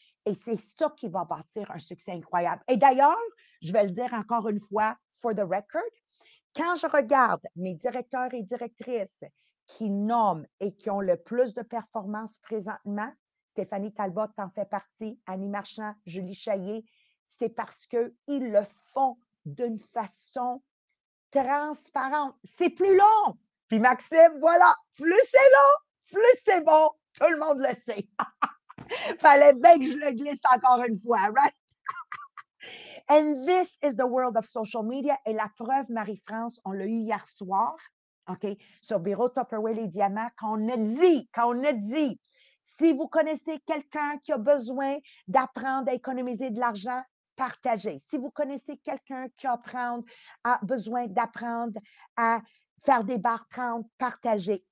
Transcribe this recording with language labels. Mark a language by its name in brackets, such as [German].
[French] Et c'est ça qui va bâtir un succès incroyable. Et d'ailleurs, je vais le dire encore une fois, [English] for the record, [French] quand je regarde mes directeurs et directrices qui nomment et qui ont le plus de performances présentement, Stéphanie Talbot en fait partie, Annie Marchand, Julie Chaillé, c'est parce qu'ils le font d'une façon transparente. C'est plus long. Puis Maxime, voilà, plus c'est long, plus c'est bon. Tout le monde le sait. Fallait bien que je le glisse encore une fois, [English] right? And this is the world of social media. [French] Et la preuve, Marie-France, on l'a eu hier soir, OK, sur Bureau Tupperware les Diamants, qu'on a dit, si vous connaissez quelqu'un qui a besoin d'apprendre à économiser de l'argent, partagez. Si vous connaissez quelqu'un qui a besoin d'apprendre à faire des barres 30, partagez.